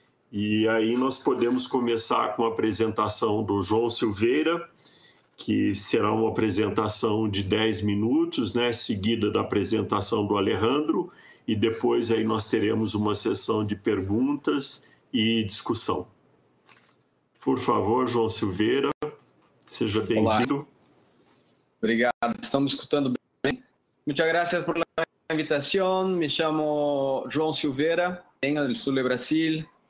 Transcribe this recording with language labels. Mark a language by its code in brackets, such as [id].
[pt] E aí nós podemos começar com a apresentação do João Silveira, que será uma apresentação de 10 minutos, né, seguida da apresentação do Alejandro, e depois aí nós teremos uma sessão de perguntas e discussão. Por favor, João Silveira, seja bem-vindo. Obrigado, estamos escutando bem. [es] Muchas gracias por la invitación. [pt] Me chamo João Silveira, venho do sul do Brasil.